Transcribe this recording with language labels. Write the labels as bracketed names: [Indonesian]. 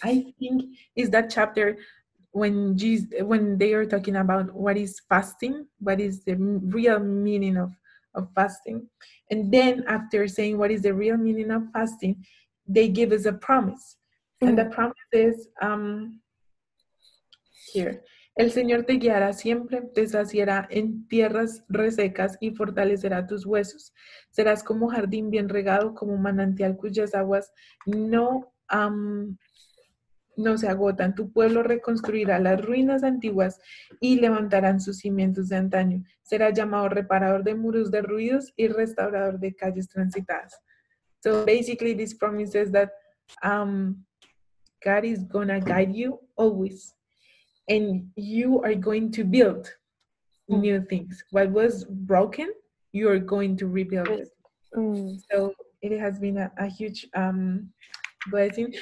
[English] I think is that chapter when when they are talking about what is fasting, what is the real meaning of fasting. And then after saying what is the real meaning of fasting, they give us a promise. Mm-hmm. And the promise is here. [Spanish] El Señor te guiará siempre, te saciará en tierras resecas y fortalecerá tus huesos. Serás como jardín bien regado, como manantial cuyas aguas no se agotan. Tu pueblo reconstruirá las ruinas antiguas y levantarán sus cimientos de antaño. Será llamado reparador de muros derruidos y restaurador de calles transitadas. [English] So basically this promise is that God is going to guide you always. And you are going to build new things. What was broken, you are going to rebuild it. So it has been a huge blessing.